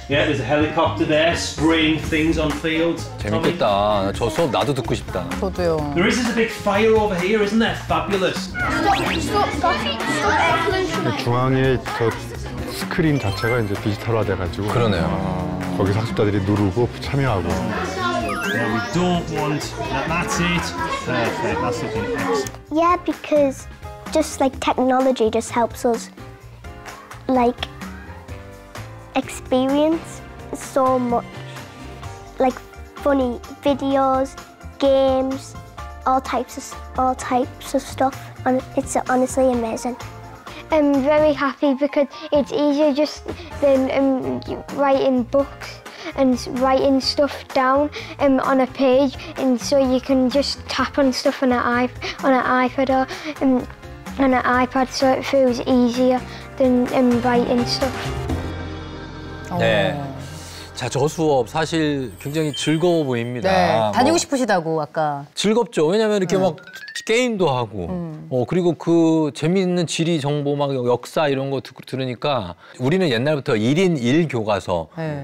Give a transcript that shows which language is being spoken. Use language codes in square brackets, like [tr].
[en] Yeah, there's a helicopter there spraying things on fields. [ko] 재밌겠다. 저 수업 나도 듣고 싶다. 저도요. [en] There is a big fire over here, isn't that fabulous? Stop. [ko] 중앙에 저 스크린 자체가 이제 디지털화돼가지고. 그러네요. 거기서 학습자들이 누르고 참여하고. [en] Yeah, we don't want that. That's it. Perfect. That's looking excellent. Yeah, because just like technology just helps us, like. Experience so much, like funny videos, games, all types of stuff, and it's honestly amazing. I'm very happy because it's easier just than writing books and writing stuff down on a page, and so you can just tap on stuff on an iPad or on an iPad, so it feels easier than writing stuff. [ko] 네, 자, 저 수업 사실 굉장히 즐거워 보입니다. 네, 다니고 뭐, 싶으시다고 아까. 즐겁죠. 왜냐하면 이렇게 막 게임도 하고, 그리고 그 재미있는 지리 정보, 막 역사 이런 거 들으니까 우리는 옛날부터 1인 1 교과서, 네.